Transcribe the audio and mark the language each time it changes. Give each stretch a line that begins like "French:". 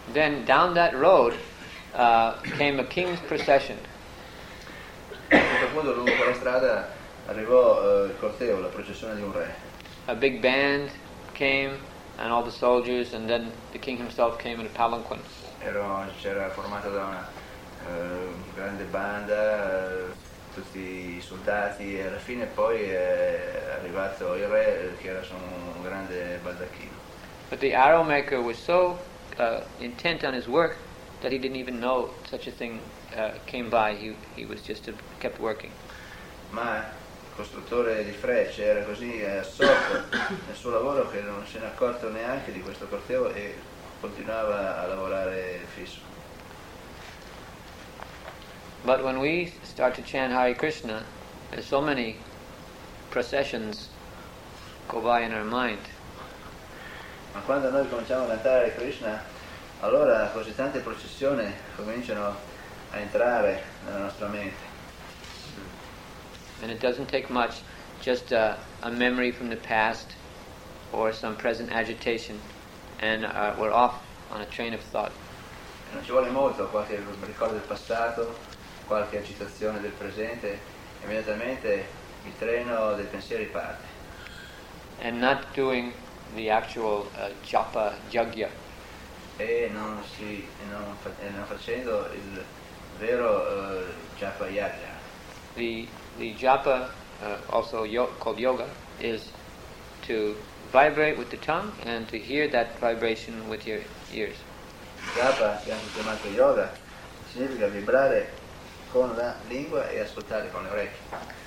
English: Then down that road came a king's procession.
Italian: A questo punto lungo quella strada arrivò il corteo, la processione di un re.
English: A big band came and all the soldiers and then the king himself came in a palanquin.
Italian: C'era formata da una grande banda, tutti i soldati e alla fine poi è arrivato il re che era su un grande baldacchino.
English: But the arrow maker was so intent on his work that he didn't even know such a thing came by. He was just kept working.
Italian: Ma il costruttore di frecce era così assorto nel suo lavoro che non se ne accorto neanche di questo corteo e continuava a lavorare fisso.
English: But when we start to chant Hare Krishna, so many processions go by in our mind.
Italian: Ma quando noi cominciamo a cantare Krishna, allora così tante processioni cominciano a entrare nella nostra mente.
English: And it doesn't take much, just a memory from the past or some present agitation and we're off on a train of thought.
Italian: E non ci vuole molto, qualche ricordo del passato, qualche agitazione del presente, immediatamente il treno dei pensieri parte.
English: And not doing the actual japa, yajna.
Italian: E non si, non facendo il vero japa yajna.
English: The japa, also called yoga, is to vibrate with the tongue and to hear that vibration with your ears.
Italian: Japa, che è anche chiamato yoga, significa vibrare con la lingua e ascoltare con le orecchie.